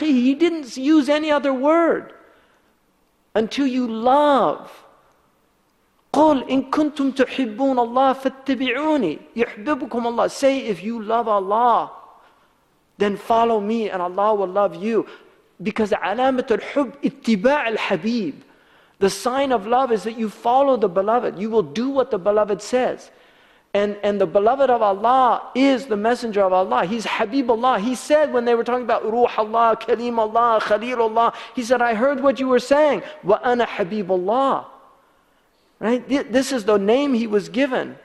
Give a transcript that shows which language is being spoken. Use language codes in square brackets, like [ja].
[en] He didn't use any other word. Until you love. [ar] قُلْ إِن كُنْتُمْ تُحِبُّونَ اللَّهَ فَاتَّبِعُونِي يُحْبِبُكُمْ اللَّهَ. [en] Say, if you love Allah, then follow me and Allah will love you. Because [ar] عَلَامَةُ الْحُبِّ اتِّبَاعِ الْحَبِيبِ. [en] The sign of love is that you follow the beloved. You will do what the beloved says. And the beloved of Allah is the messenger of Allah. He's Habibullah. He said when they were talking about Ruh Allah, Kaleem Allah, Khaleel Allah, he said, I heard what you were saying. Wa ana Habibullah. Right? This is the name he was given.